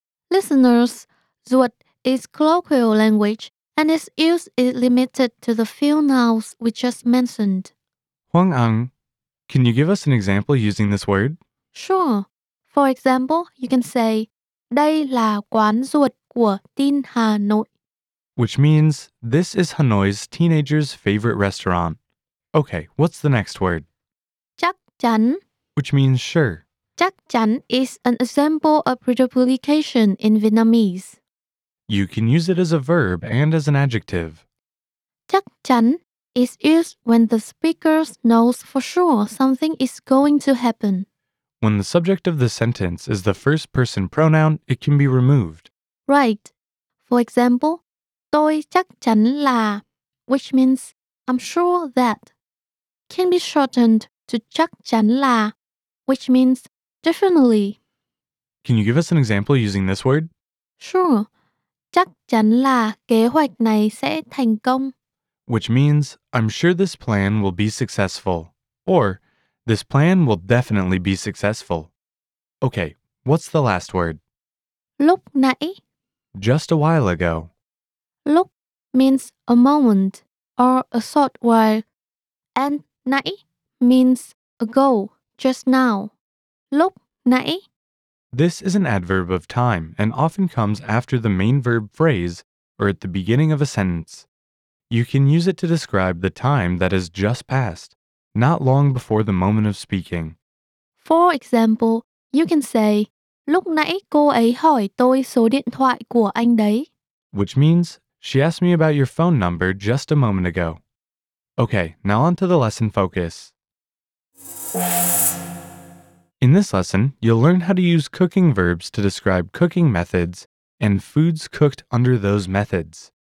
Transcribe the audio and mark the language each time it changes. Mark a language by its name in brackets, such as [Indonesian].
[English] Listeners, ruột is colloquial language and its use is limited to the few nouns we just mentioned. Huang Ang, can you give us an example using this word? Sure. For example, you can say, [Vietnamese] đây là quán ruột của Tin Hà Nội. [English] Which means, this is Hanoi's teenager's favorite restaurant. Okay, what's the next word? [Vietnamese] Chắc chắn. [English] Which means sure. Chắc chắn is an example of reduplication in Vietnamese. You can use it as a verb and as an adjective. Chắc chắn is used when the speaker knows for sure something is going to happen. When the subject of the sentence is the first person pronoun, it can be removed. Right. For example, [Vietnamese] tôi chắc chắn là, [English] which means I'm sure that, can be shortened to chắc chắn là, which means definitely. Can you give us an example using this word? Sure. [Vietnamese] Chắc chắn là kế hoạch này sẽ thành công. [English] Which means I'm sure this plan will be successful, or this plan will definitely be successful. Okay, what's the last word? [Vietnamese] Lúc nãy. [English] Just a while ago. Lúc means a moment or a short while, and nãy means ago, just now. Lúc nãy. This is an adverb of time and often comes after the main verb phrase or at the beginning of a sentence. You can use it to describe the time that has just passed, not long before the moment of speaking. For example, you can say, [Vietnamese] lúc nãy cô ấy hỏi tôi số điện thoại của anh đấy. [English] Which means, she asked me about your phone number just a moment ago. Okay, now on to the lesson focus. In this lesson, you'll learn how to use cooking verbs to describe cooking methods and foods cooked under those methods.